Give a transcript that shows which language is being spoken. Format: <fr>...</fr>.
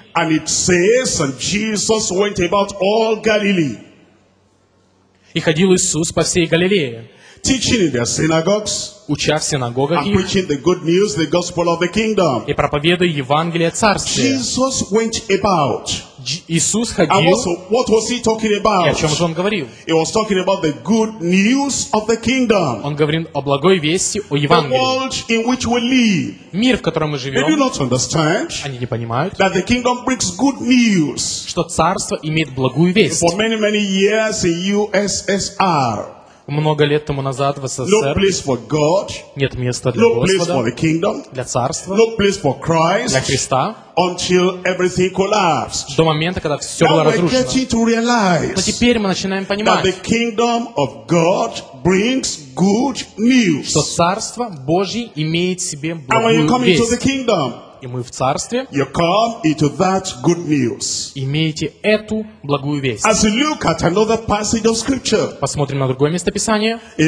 <en>And it says, and Jesus went about all Galilee.</en> <ru>И ходил Иисус по всей Галилее.</ru> <en>Teaching in their synagogues.</en> <ru>Уча в синагогах их.</ru> <en>And preaching the good news, the gospel of the kingdom.</en> <ru>И проповедуя Евангелие Царствия.</ru> <en>Jesus went about.</en> <ru>Иисус ходил.</ru> <en>And also, what was he talking about?</en> <ru>И о чем же он говорил?</ru> <en>He was talking about the good news of the kingdom.</en> <ru>Он говорил о благой вести, о Евангелии.</ru> <en>The world in which we live.</en> <ru>Мир, в котором мы живем.</ru> <en>They do not understand.</en> <ru>Они не понимают.</ru> <en>That the kingdom brings good news.</en> <ru>Что царство имеет благую весть.</ru> <en>For many, many years in USSR.</en> <ru>Много лет тому назад в СССР</ru> <en>no place for God,</en> <ru>нет места для</ru> <en>no</en> <ru>Господа,</ru> <en>place for the kingdom,</en> <ru>для Царства,</ru> <en>no place for Christ,</en> <ru>для Христа,</ru> <en>until everything collapsed.</en> <ru>До момента, когда все</ru> <en>Now</en> <ru>было разрушено.</ru> <en>Realize,</en> <ru>но теперь мы начинаем понимать,</ru> <en>that the kingdom of God brings good news.</en> <ru>Что Царство Божье имеет в себе благую весть. И мы в Царстве имеете эту благую весть. Посмотрим на другое место Писания.</ru>